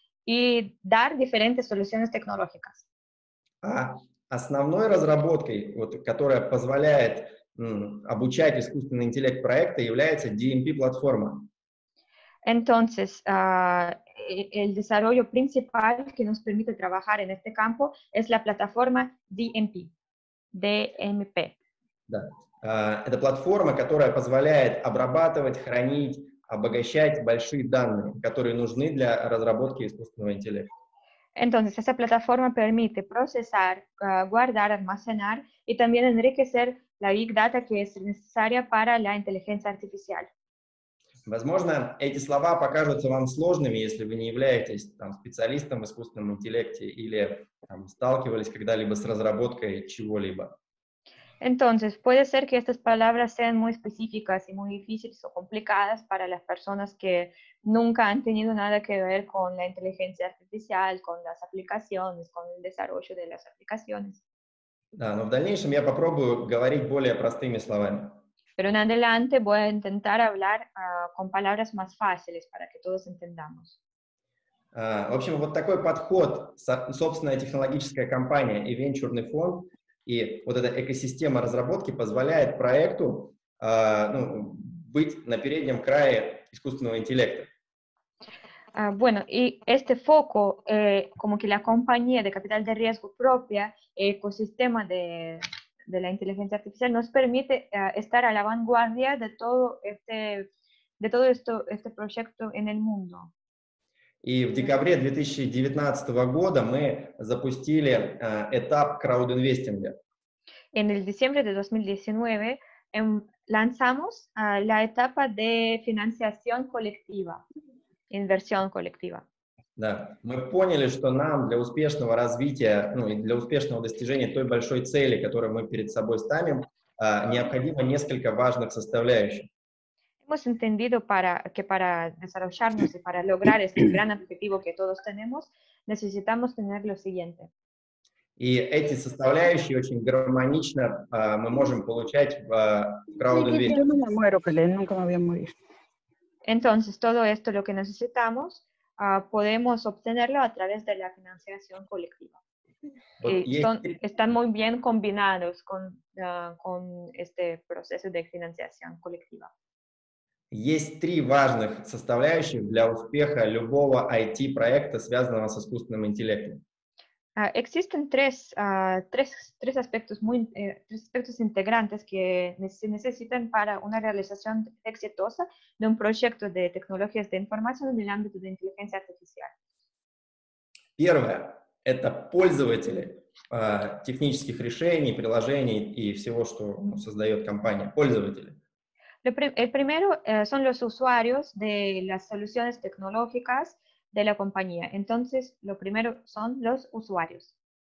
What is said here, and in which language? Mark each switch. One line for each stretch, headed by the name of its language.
Spanish: и дар диферентес солюсионес технологикас.
Russian: А основной разработкой, вот, которая позволяет обучать искусственный интеллект проекта, является DMP-платформа.
Spanish: Entonces, el desarrollo principal que nos permite trabajar en este campo es la plataforma DMP. DMP.
Russian: Да. Это платформа, которая позволяет обрабатывать, хранить, обогащать большие данные, которые нужны для разработки искусственного интеллекта.
Spanish: Entonces, esa plataforma permite procesar, guardar, almacenar y también enriquecer la big data que es necesaria para la inteligencia artificial.
Russian: Возможно, эти слова покажутся вам сложными, если вы не являетесь там, специалистом в искусственном интеллекте или там, сталкивались когда-либо с разработкой чего-либо.
Spanish: Entonces, puede ser que estas palabras sean muy específicas y muy difíciles o complicadas para las personas que nunca han tenido nada que ver con la inteligencia artificial, con las aplicaciones, con el desarrollo de las aplicaciones.
Russian: Да, но в дальнейшем я попробую говорить более простыми словами.
Spanish: Pero en adelante voy a intentar hablar con palabras más fáciles para que todos entendamos.
Russian: В общем, вот такой подход, собственная технологическая компания и венчурный фонд, и вот эта экосистема разработки позволяет проекту быть на переднем крае искусственного интеллекта.
Spanish: Bueno, y este foco, como que la compañía de capital de riesgo propia, ecosistema de la inteligencia artificial, nos permite estar a la vanguardia de todo este proyecto en el mundo.
Russian: И в декабре 2019 года мы запустили этап краудинвестинга.
Spanish: En el diciembre de 2019 lanzamos la etapa de financiación colectiva, inversión colectiva.
Russian: Да, мы поняли, что нам для успешного развития, ну и для успешного достижения той большой цели, которую мы перед собой ставим, необходимо несколько важных составляющих.
Spanish: Hemos entendido que para desarrollarnos y para lograr este gran objetivo que todos tenemos, necesitamos tener lo siguiente.
Russian: И эти составляющие очень гармонично мы можем получать в краудинвестинге.
Spanish: Entonces, todo esto lo que necesitamos, podemos obtenerlo a través de la financiación colectiva. Están muy bien combinados con este proceso de financiación colectiva.
Russian: Есть три важных составляющих для успеха любого IT-проекта, связанного с искусственным интеллектом.
Spanish: Existen tres aspectos integrantes que se necesitan para una realización exitosa de un proyecto de tecnologías de información en el ámbito de inteligencia artificial.
Russian: Первое – это пользователи технических решений, приложений и всего, что создает компания. Пользователи.
Spanish: El primero son los usuarios de las soluciones tecnológicas de la compañía. Entonces, lo primero son los usuarios.